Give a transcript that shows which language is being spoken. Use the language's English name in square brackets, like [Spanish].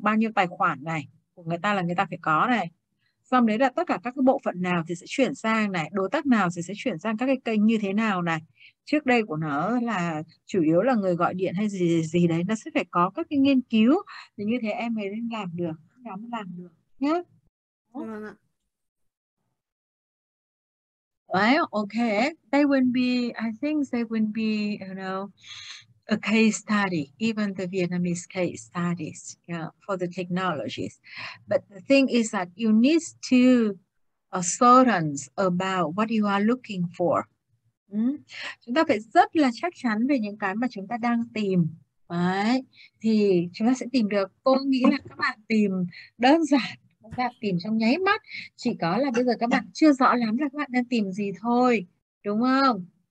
[Vietnamese] Bao nhiêu tài khoản này của người ta là người ta phải có này. Xong đấy là tất cả các cái bộ phận nào thì sẽ chuyển sang này, đối tác nào thì sẽ chuyển sang các cái kênh như thế nào này. Trước đây của nó là chủ yếu là người gọi điện hay gì gì đấy, nó sẽ phải có các cái nghiên cứu thì như thế em mới làm được, nhóm làm được nhá. Vâng ạ. [English] Well, okay, they will be, I think they will be, you know, a case study, even the Vietnamese case studies, you know, for the technologies. But the thing is that you need to certain about what you are looking for. [Vietnamese] Chúng ta phải rất là chắc chắn về những cái mà chúng ta đang tìm. Đấy. Thì chúng ta sẽ tìm được, tôi nghĩ là các bạn tìm đơn giản. Các bạn tìm trong nháy mắt, chỉ có là bây giờ các bạn chưa rõ lắm là các bạn đang tìm gì thôi, đúng không?